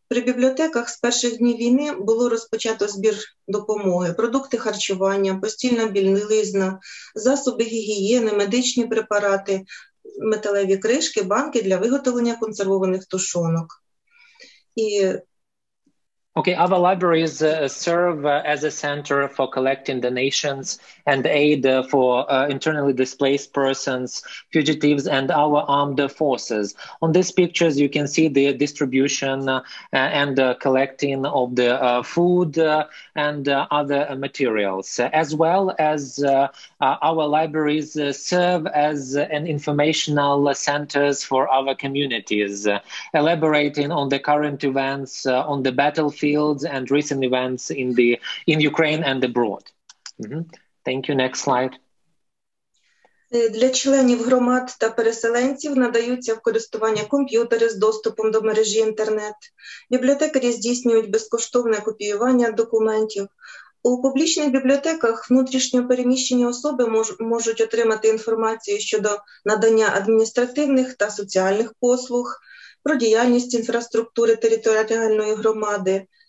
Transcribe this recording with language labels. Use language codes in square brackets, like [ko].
[uk] При бібліотеках з перших днів війни було розпочато збір допомоги, продукти харчування, постільна білизна, засоби гігієни, медичні препарати, металеві кришки, банки для виготовлення консервованих тушонок. І [en] Okay, our libraries serve as a center for collecting donations and aid for internally displaced persons, fugitives, and our armed forces. On these pictures, you can see the distribution and collecting of the food and other materials, as well as our libraries serve as an informational centers for our communities, elaborating on the current events on the battlefield and recent events in Ukraine and abroad. Mm-hmm. Thank you. Next slide. [uk] Для членів громад та переселенців надаються в користування комп'ютери з доступом до мережі інтернет. Бібліотекарі здійснюють безкоштовне копіювання документів. У публічних бібліотеках внутрішньопереміщені особи можуть отримати інформацію щодо надання адміністративних та соціальних послуг, про діяльність інфраструктури територіальної громади.